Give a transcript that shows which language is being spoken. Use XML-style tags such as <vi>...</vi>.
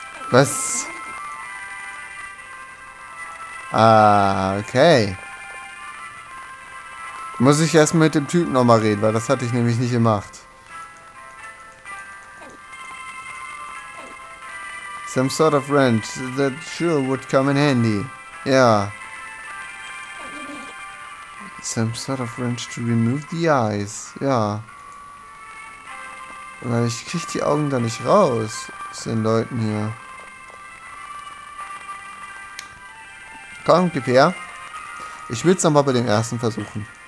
<de>Was? Ah, okay. Muss ich erst mit dem Typen nochmal reden, weil das hatte ich nämlich nicht gemacht.</de> <en>Some sort of wrench that sure would come in handy. Yeah. Some sort of wrench to remove the eyes.</en> <de>Ja. Weil ich krieg die Augen da nicht raus. Aus den Leuten hier. Komm, gib her. Ich will's nochmal bei dem ersten versuchen.</de>